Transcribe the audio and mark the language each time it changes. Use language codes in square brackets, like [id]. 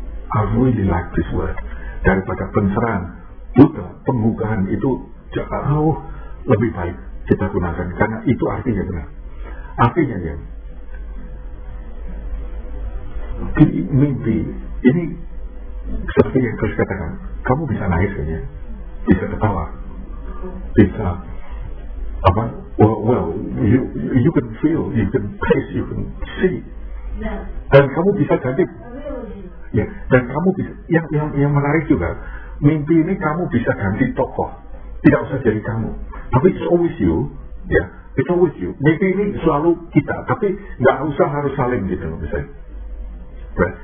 [en] I really like this word. [id] Daripada penceran, Buddha, penggugahan itu jauh lebih baik kita gunakan. Karena itu artinya benar. Artinya ya, di mimpi, ini seperti yang Chris katakan, kamu bisa nangis kan ya, bisa ketawa, bisa apa? [en] Well, you can feel, you can taste, you can see. Yeah. [id] Dan kamu bisa cantik. Yeah. Dan kamu bisa, yang menarik juga, mimpi ini kamu bisa ganti tokoh. Tidak usah jadi kamu. Tapi [en] it's always you. Yeah. It's always you. [id] Mimpi ini selalu kita, tapi gak usah harus saling gitu loh misalnya. Right.